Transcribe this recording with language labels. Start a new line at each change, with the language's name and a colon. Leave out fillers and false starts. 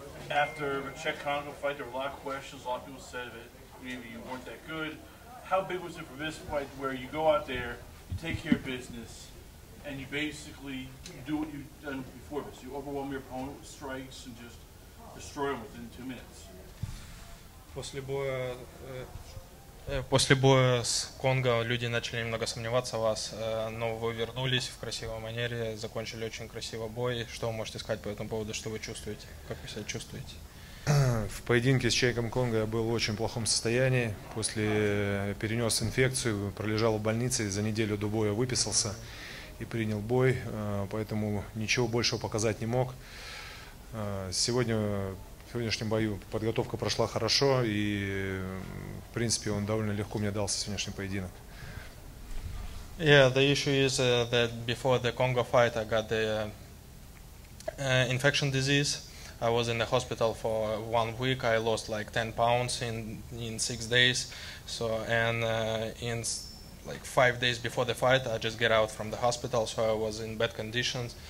English: After the Czech Congo fight, there were a lot of questions. A lot of people said that maybe you weren't that good. How big was it for this fight where you go out there, you take care of business, and you basically do what you've done before this? You overwhelm your opponent with strikes and just destroy him within 2 minutes.
Russian: После боя, после боя с Конго люди начали немного сомневаться в вас, но вы вернулись в красивой манере, закончили очень красиво бой. Что вы можете сказать по этому поводу, что вы чувствуете, как вы себя чувствуете? В поединке с Чайком Конго я был в очень плохом состоянии, после перенес инфекцию, пролежал в больнице, за неделю до боя выписался и принял бой, поэтому ничего большего показать не мог. В сегодняшнем бою подготовка прошла хорошо, и в принципе он довольно легко мне дался сегодняшний поединок.
English: Yeah, the issue is that before the Congo fight I got the infection disease. I was in the hospital for 1 week. I lost like 10 pounds in 6 days. So and in like 5 days before the fight I just get out from the hospital, so I was in bad conditions.